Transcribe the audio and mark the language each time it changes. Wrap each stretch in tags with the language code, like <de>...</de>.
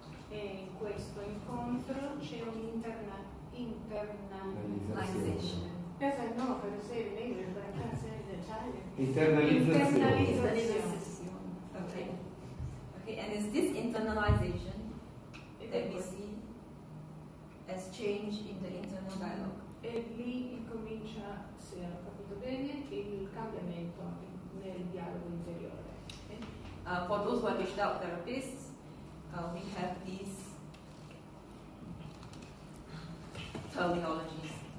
<it>E in questo incontro c'è un'internalization.</it> <en>Okay. And it's this internalization that we see as change in the internal dialogue.</en> <it>E lì incomincia, se ho capito bene, il cambiamento nel dialogo interiore.</it> <en>Okay. For those who are gestalt therapists, we have these terminologies.</en>